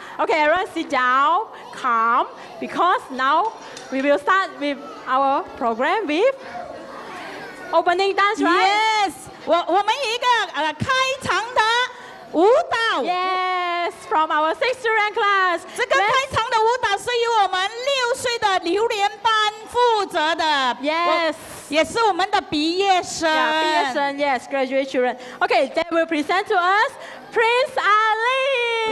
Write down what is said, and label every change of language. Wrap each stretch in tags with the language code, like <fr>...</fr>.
<en>Okay, everyone, sit down, calm, because now we will start with our program with opening dance, right? Yes.</en> <zh>我们有一个开场的舞蹈。</zh> <en>Yes, from our 6th student class.</en> <zh>这个开场的舞蹈是由我们六岁的榴莲班负责的。</zh> <en>Yes.</en> <zh>也是我们的毕业生。</zh> <en>Yeah,</en> <zh>毕业生,</zh> <en>yes, graduate children. Okay, they will present to us Prince Ali.</en>